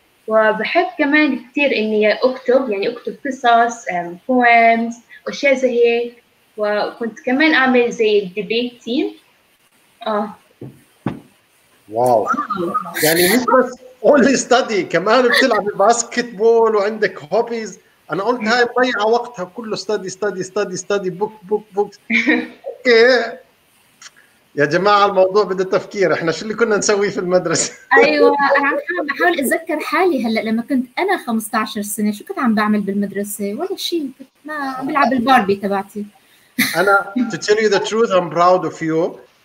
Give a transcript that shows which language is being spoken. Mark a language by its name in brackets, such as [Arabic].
[Arabic] وبحب كمان كثير إني أكتب قصص [English] poems [Arabic] وأشياء زي هيك، وكنت كمان أعمل زي الديبيت تيم. واو، يعني مش بس [English] only study، [Arabic] كمان بتلعب باسكت بول وعندك هوبيز. انا قلت هاي ضيع وقتها كله [English] study study study study book book [Arabic] book. اوكي يا جماعة، الموضوع بده تفكير، احنا شو اللي كنا نسويه في المدرسة؟ ايوه، انا عم بحاول اتذكر حالي هلا لما كنت انا 15 سنة شو كنت عم بعمل بالمدرسة؟ ولا شيء، ما عم بلعب الباربي تبعتي. انا [English] to tell you the truth I'm proud of you.